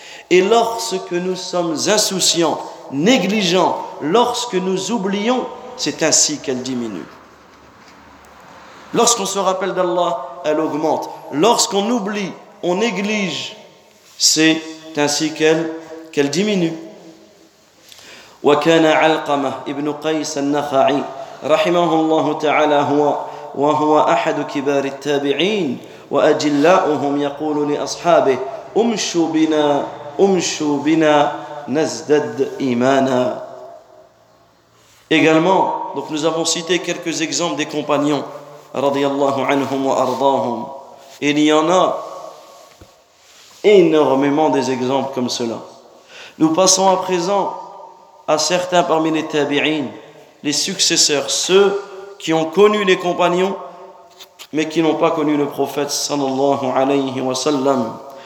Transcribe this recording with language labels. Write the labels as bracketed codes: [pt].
[fr] Et lorsque nous sommes insouciants, négligents, lorsque nous oublions, c'est ainsi qu'elle diminue. Lorsqu'on se rappelle d'Allah, elle augmente. Lorsqu'on oublie, on néglige, c'est ainsi qu'elle diminue. [ar] وكان علقمة ابن قيس النخعي رحمه الله تعالى وهو أحد كبار التابعين وأجلاؤهم يقول لأصحابه أمشوا بنا أمشوا بنا نزدد إيمانا. [fr] Également, donc nous avons cité quelques exemples des compagnons [ar] رضي الله عنهم وأرضاهم. [fr] Il y en a énormément des exemples comme cela. Nous passons à présent à certains parmi les tabi'in, les successeurs, ceux qui ont connu les compagnons mais qui n'ont pas connu le prophète [ar] sallallahu alayhi wa sallam.